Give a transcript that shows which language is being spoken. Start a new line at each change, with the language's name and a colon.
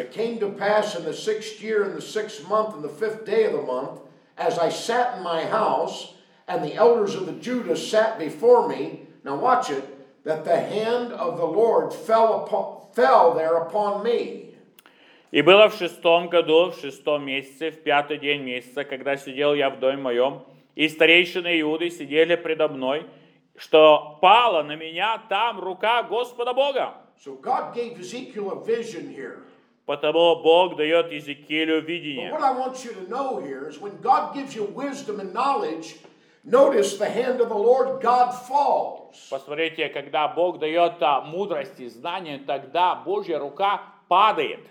English: It came to pass in the sixth year, in the sixth month, in the fifth day of the month, as I sat in my house, and the elders of the Judah sat before me. Now watch it. That the hand of the Lord fell there upon me.
Russian: И было в шестом году, в шестом месяце, в пятый день месяца, когда сидел я в доме моем, и старейшины Иуды сидели предо мной, что пала на меня там рука Господа Бога.
English: So God gave Ezekiel a vision here.
Russian: Потому Бог дает Иезекиилю видение.
English: But what I want you to know here is when God gives you wisdom and knowledge, notice the hand of the Lord God falls.
Russian: Посмотрите, когда Бог дает мудрость и знание, тогда Божья рука падает.